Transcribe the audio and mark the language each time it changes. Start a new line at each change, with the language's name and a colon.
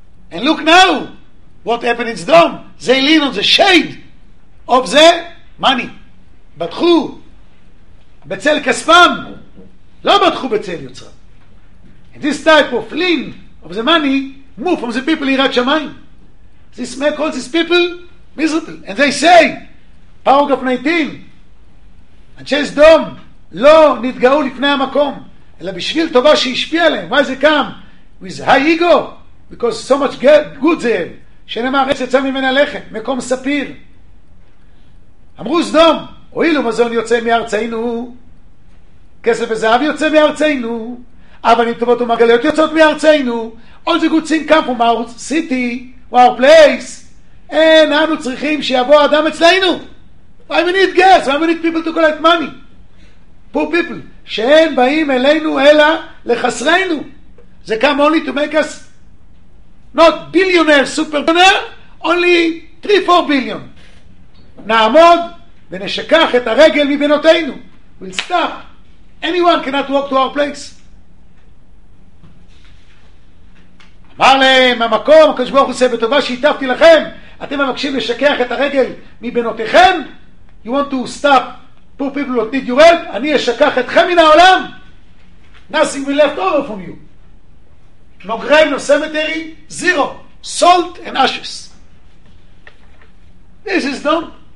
English: And look now what happened in Sdom. They lean on the shade of the money. But who? Betzel Kaspam.
Hebrew: לא בטחו בצל יוצרה.
English: And this type of lean of the money move from the people ליראת שמיים. This make all these people miserable. And they say, paragraph 19,
Hebrew: אנשי סדום לא נתגאו לפני המקום, אלא בשביל טובה שהשפיע עליהם.
English: Why they come? With high ego. Because so much good they have.
Hebrew: שנאמר, ארץ יצא ממנה לחם, מקום ספיר. אמרו סדום, הואילו מזון יוצא מארצנו, כסף וזהב יוצא מארצנו, אבנים טובות ומרגליות יוצאות מארצנו,
English: all the good things come from our city, our place,
Hebrew: and אנו צריכים שיבוא אדם אצלנו.
English: Why we need guests? Why we need people to collect money? Poor people,
Hebrew: שאין באים אלינו אלא לחסרנו.
English: They come only to make us not billionaire, super billionaire, only 3-4 billion.
Hebrew: נעמוד ונשכח את הרגל מבינותינו.
English: We'll stop. Anyone cannot walk to our place.
Hebrew: אמר להם, המקום, הקדוש ברוך הוא עושה בטובה שהטפתי לכם, אתם מבקשים לשכח את הרגל מבנותיכם?
English: You want to stop poor people who need your help?
Hebrew: אני אשכח אתכם מן העולם?
English: Nothing will left over from you. No grave, no cemetery, zero. Salt and ashes. This is done.